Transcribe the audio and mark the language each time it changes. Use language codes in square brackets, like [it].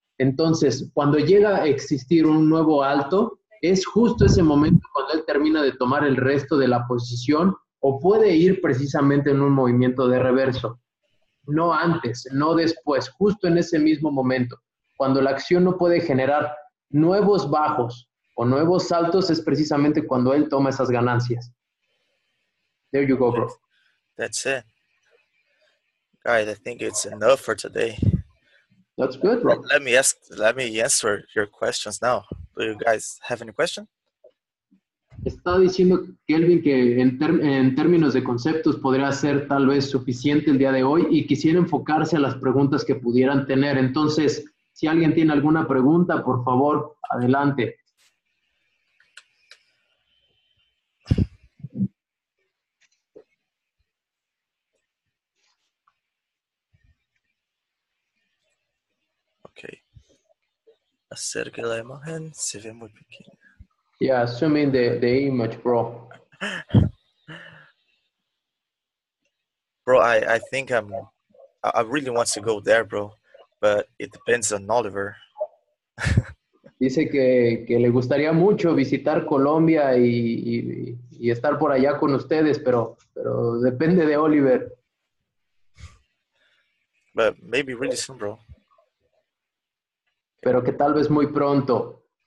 [es] Entonces, cuando llega a existir un nuevo alto, es justo ese momento cuando él termina de tomar el resto de la posición, o puede ir precisamente en un movimiento de reverso. No antes, no después, justo en ese mismo momento. Cuando la acción no puede generar nuevos bajos o nuevos saltos, es precisamente cuando él toma esas ganancias. [en] There you go, bro. That's it. Guys, I think it's enough for today. That's good, Rob. Let me answer your questions now. Do you guys have any question? [es] Está diciendo Kelvin que en términos de conceptos podría ser tal vez suficiente el día de hoy y quisiera enfocarse a las preguntas que pudieran tener. Entonces, si alguien tiene alguna pregunta, por favor, adelante. Okay. Acerque la imagen, se ve muy pequeña. [en] Yeah, assuming the image, bro. Bro, I think I really want to go there, bro, but it depends on Oliver. [es] Dice que le gustaría mucho visitar Colombia y estar por allá con ustedes, pero depende de Oliver. [en] But maybe really soon, bro. [es] Pero que tal vez muy pronto.